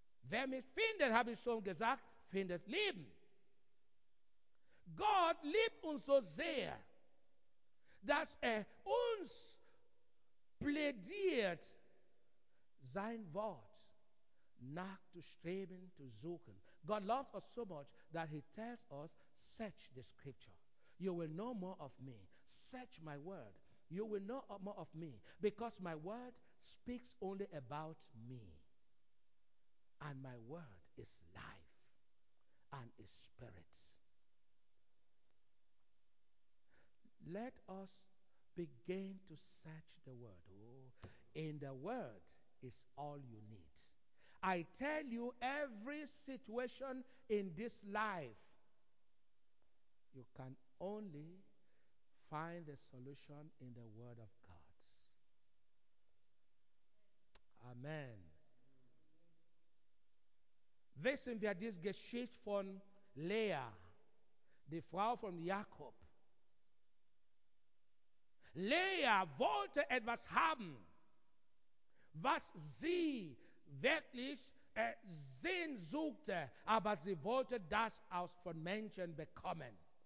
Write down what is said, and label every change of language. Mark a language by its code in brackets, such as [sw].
[de] Wer mich findet, habe ich schon gesagt, findet Leben. Gott liebt uns so sehr, dass er uns plädiert, sein Wort nachzustreben, zu suchen. [en] God loves us so much that he tells us, search the scripture. You will know more of me. Search my word. You will know more of me. Because my word speaks only about me. And my word is life and is spirit. Let us begin to search the word. Oh, in the word is all you need. I tell you, every situation in this life, you can only find the solution in the word of God. Amen. [de] Wissen wir diese Geschichte von Lea, die Frau von Jakob. Lea wollte etwas haben, was sie wirklich sehnsuchte, aber sie wollte das aus von Menschen bekommen.